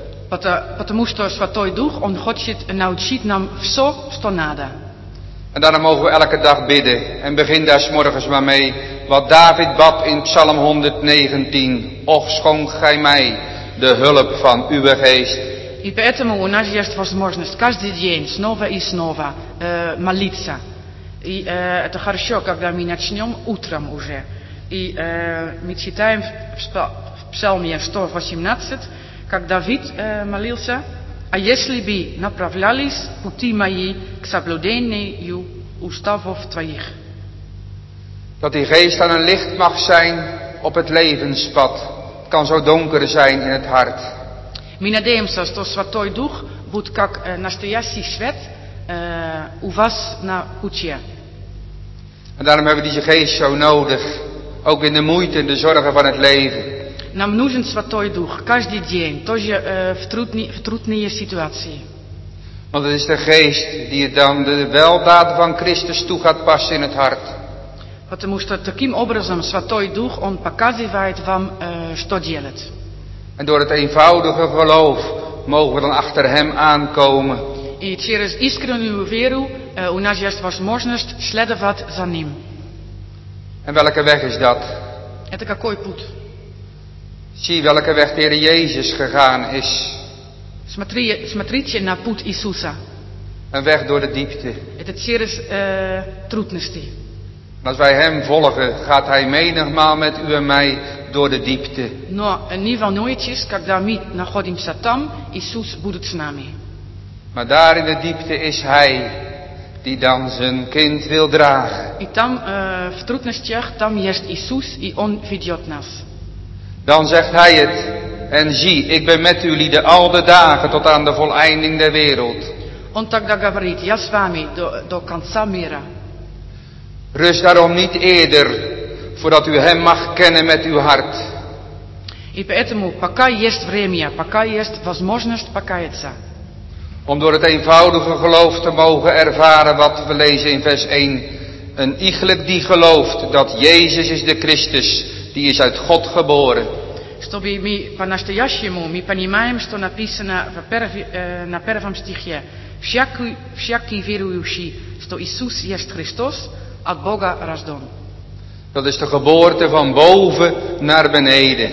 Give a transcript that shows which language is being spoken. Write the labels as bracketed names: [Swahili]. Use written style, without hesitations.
[Russian] Потому что Святой Дух, он хочет научить нам все, что надо. [Dutch] En daarom mogen we elke dag bidden. En begin daar 's morgens maar mee. Wat David bad in Psalm 119. Och, schonk gij mij de hulp van uw geest. [Russian] И поэтому у нас есть возможность каждый день снова и снова молиться. И это хорошо, когда мы начнем утром уже. И мы читаем в Псалме 118, как Давид молился. А если бы направлялись пути мои к соблюдению уставов твоих. [Dutch] Dat die geest aan een licht mag zijn op het levenspad. Het kan zo donker zijn in het hart. [Russian] Мы надеемся, что Святой Дух будет как настоящий свет у вас на пути. [Dutch] En daarom hebben we die geest zo nodig. Ook in de moeite en de zorgen van het leven. [Russian] Нам нужен Святой Дух каждый день, тоже в трудные ситуации. [Dutch] Want het is de geest die dan de weldaad van Christus toe gaat passen in het hart. [Russian] Потому что таким образом Святой Дух, он показывает вам, что делать. [Dutch] En door het eenvoudige geloof mogen we dan achter hem aankomen. [Russian] И через искреннюю веру у нас есть возможность следовать за ним. [Dutch] En welke weg is dat? [Russian] Это какой путь? [Dutch] Zie welke weg de Heer Jezus gegaan is. [Russian] Смотрите на путь Иисуса. [Dutch] Een weg door de diepte. [Russian] Это через трудности. [Dutch] Als wij hem volgen, gaat hij menigmaal met u en mij door de diepte. [Russian] Но не волнуйтесь, когда мы находимся там, Иисус будет с нами. [Dutch] Maar daar in de diepte is hij, die dan zijn kind wil dragen. [Russian] И там, в трудностях, там есть Иисус, и он ведет нас. [Dutch] Dan zegt hij het, en zie, ik ben met u lieden al de dagen tot aan de volleinding der wereld. [Russian] Он тогда говорит, я с вами до конца мира. [Dutch] Rust daarom niet eerder, voordat u hem mag kennen met uw hart. [Russian] И поэтому, пока есть время, пока есть возможность покаяться. [Dutch] Om door het eenvoudige geloof te mogen ervaren wat we lezen in vers 1. Een iegelijk die gelooft dat Jezus is de Christus, die is uit God geboren. [Russian] чтобы мы по-настоящему мы понимаем, что написано в на первом стихе. Всякий верующий, что Иисус есть Христос, от Бога рожден. [Dutch] Dat is de geboorte van boven naar beneden.